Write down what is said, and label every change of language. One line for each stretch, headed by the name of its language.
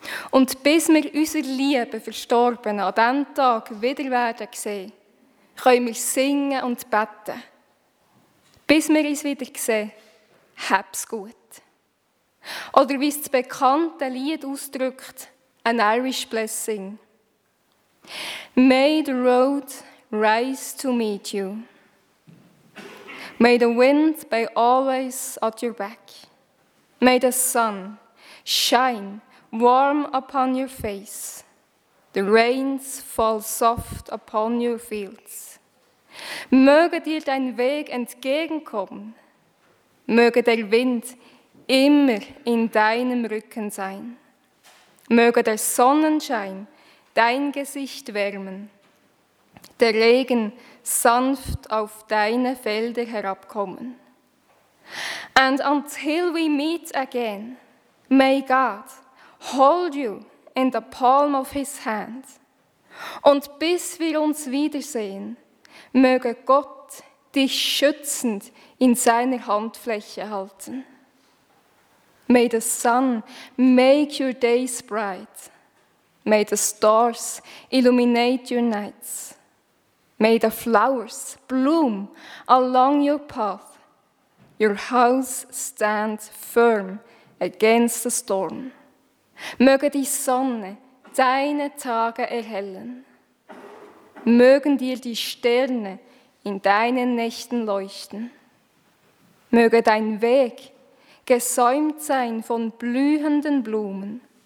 German: Und bis wir unsere lieben Verstorbenen an diesem Tag wieder werden sehen, können wir singen und beten. Bis wir uns wieder sehen, hab's gut. Oder wie es das bekannte Lied ausdrückt,
English: an Irish blessing. May the road rise to meet you. May the wind be always at your back. May the sun shine warm upon your face. The rains fall soft upon your fields.
German: Möge dir dein Weg entgegenkommen. Möge der Wind immer in deinem Rücken sein. Möge der Sonnenschein dein Gesicht wärmen, der Regen sanft auf deine Felder herabkommen.
English: And until we meet again, may God hold you in the palm of his hand.
German: Und bis wir uns wiedersehen, möge Gott dich schützend in seiner Handfläche halten.
English: May the sun make your days bright. May the stars illuminate your nights. May the flowers bloom along your path. your house stand firm against the storm.
German: Möge die Sonne deine Tage erhellen. Mögen dir die Sterne in deinen Nächten leuchten. Möge dein Weg gesäumt sein von blühenden Blumen.